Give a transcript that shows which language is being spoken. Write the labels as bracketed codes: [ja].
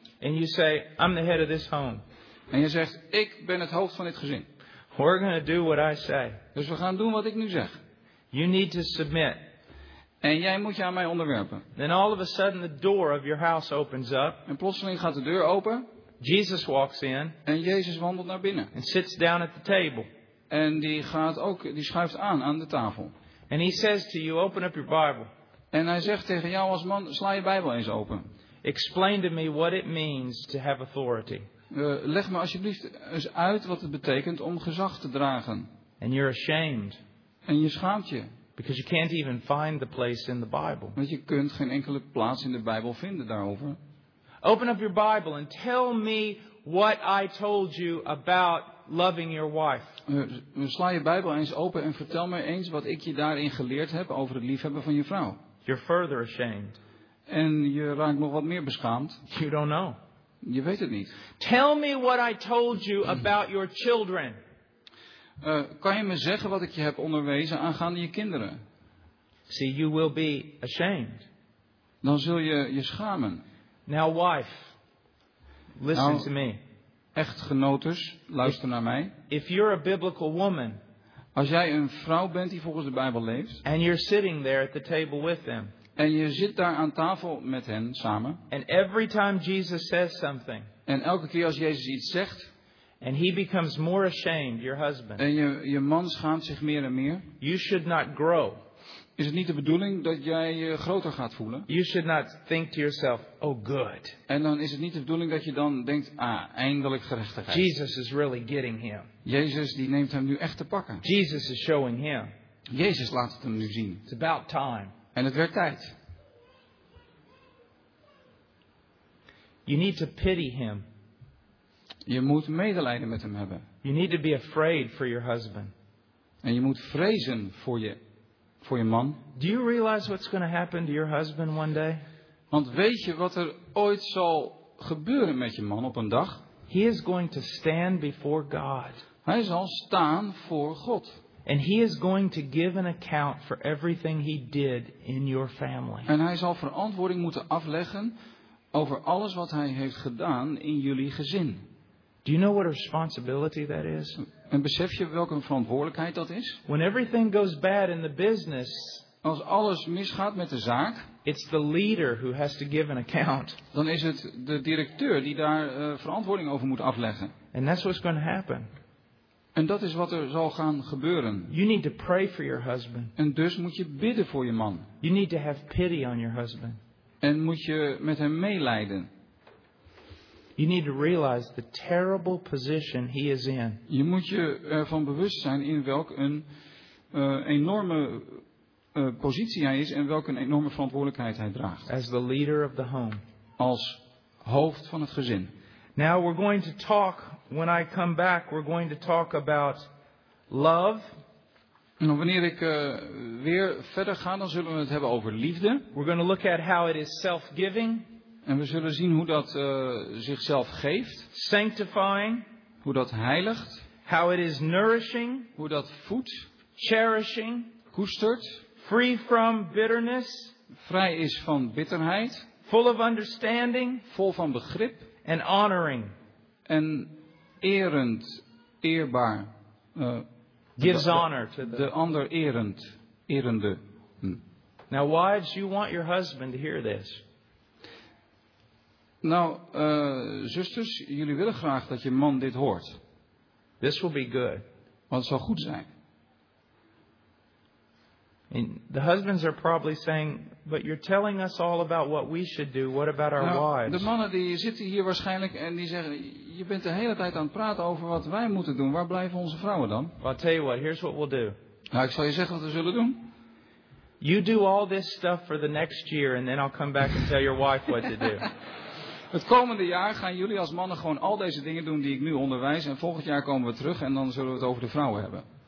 [en] And you say, I'm the head of this home. [nl] En je zegt, ik ben het hoofd van dit gezin. [en] We're going to do what I say. [nl] Dus we gaan doen wat ik nu zeg. [en] You need to submit. [nl] En jij moet je aan mij onderwerpen. [en] Then all of a sudden the door of your house opens up. [nl] En plotseling gaat de deur open. [en] Jesus walks in. [nl] En Jezus wandelt naar binnen. [en] And sits down at the table. [nl] En die gaat ook, die schuift aan de tafel. [en] And he says to you, open up your Bible. [nl] En hij zegt tegen jou als man, sla je Bijbel eens open. [en] Explain to me what it means to have authority. [nl] Leg me alsjeblieft eens uit wat het betekent om gezag te dragen. [en] And you're ashamed. [nl] En je schaamt je. [en] Because you can't even find the place in the Bible. [nl] Want je kunt geen enkele plaats in de Bijbel vinden daarover. [en] Open up your Bible and tell me what I told you about loving your wife. [nl] Sla je Bijbel eens open en vertel me eens wat ik je daarin geleerd heb over het liefhebben van je vrouw. [en] You're further ashamed. [nl] En je raakt nog wat meer beschaamd. [en] You don't know. [nl] Je weet het niet. [en] Tell me what I told you about your children. [nl] Kan je me zeggen wat ik je heb onderwezen aangaande je kinderen? [en] See, you will be ashamed. [nl] Dan zul je je schamen. [en] Now, wife, listen nou, to me. [nl] Echtgenotes, luister naar mij. [en] If you're a biblical woman, [nl] als jij een vrouw bent die volgens de Bijbel leeft, [en] and you're sitting there at the table with them, [nl] en je zit daar aan tafel met hen samen, [en] and every time Jesus says something, [nl] en elke keer als Jezus iets zegt, [en] and he becomes more ashamed, your husband, [nl] en je man schaamt zich meer en meer, [en] you should not grow. [nl] Is het niet de bedoeling dat jij je groter gaat voelen? [en] You should not think to yourself, oh good. [nl] En dan is het niet de bedoeling dat je dan denkt, ah, eindelijk gerechtigheid. [en] Jesus is really getting him. [nl] Jezus die neemt hem nu echt te pakken. [en] Jesus is showing him. [nl] Jezus laat het hem nu zien. [en] It's about time. [nl] En het werd tijd. [en] You need to pity him. [nl] Je moet medelijden met hem hebben. [en] You need to be afraid for your husband. [nl] En je moet vrezen voor je. Voor je man. [en] Do you realize what's going to happen to your husband one day? [nl] Want weet je wat er ooit zal gebeuren met je man op een dag? [en] He is going to stand before God. [nl] Hij zal staan voor God. [en] And he is going to give an account for everything he did in your family. [nl] En hij zal verantwoording moeten afleggen over alles wat hij heeft gedaan in jullie gezin. [en] Do you know what a responsibility that is? [nl] En besef je welke verantwoordelijkheid dat is? [en] When everything goes bad in the business, [nl] als alles misgaat met de zaak, [en] it's the leader who has to give an account. [nl] Dan is het de directeur die daar verantwoording over moet afleggen. [en] And that's what's going to happen. [nl] En dat is wat er zal gaan gebeuren. [en] You need to pray for your husband. [nl] En dus moet je bidden voor je man. [en] You need to have pity on your husband. [nl] En moet je met hem meelijden. [en] You need to realize the terrible position he is in. [nl] Je moet je ervan bewust zijn in welk een enorme positie hij is en welke een enorme verantwoordelijkheid hij draagt. [en] As the leader of the home. [nl] Als hoofd van het gezin. [en] Now we're going to talk, when I come back, we're going to talk about love. [nl] Nou, wanneer ik weer verder ga, dan zullen we het hebben over liefde. [en] We're going to look at how it is self-giving. [nl] En we zullen zien hoe dat zichzelf geeft. [en] Sanctifying. [nl] Hoe dat heiligt. [en] How it is nourishing. [nl] Hoe dat voedt. [en] Cherishing. [nl] Koestert. [en] Free from bitterness. [nl] Vrij is van bitterheid. [en] Full of understanding. [nl] Vol van begrip. [en] And honoring. [nl] En erend, eerbaar. [en] Gives honor to the [nl] ander erend, erende. [en] Now wives, you want your husband to hear this. [nl] Nou, zusters, jullie willen graag dat je man dit hoort. [en] This will be good. [nl] Want het zal goed zijn. [en] And the husbands are probably saying, but you're telling us all about what we should do. What about our nou, wives? [nl] De mannen die zitten hier waarschijnlijk en die zeggen, je bent de hele tijd aan het praten over wat wij moeten doen. Waar blijven onze vrouwen dan? [en] Well, I'll tell you what, here's what we'll do. [nl] Nou, ik zal je zeggen wat we zullen doen. [en] You do all this stuff for the next year and then I'll come back and tell your wife what to do. [nl] Het komende jaar gaan jullie als mannen gewoon al deze dingen doen die ik nu onderwijs. En volgend jaar komen we terug en dan zullen we het over de vrouwen hebben.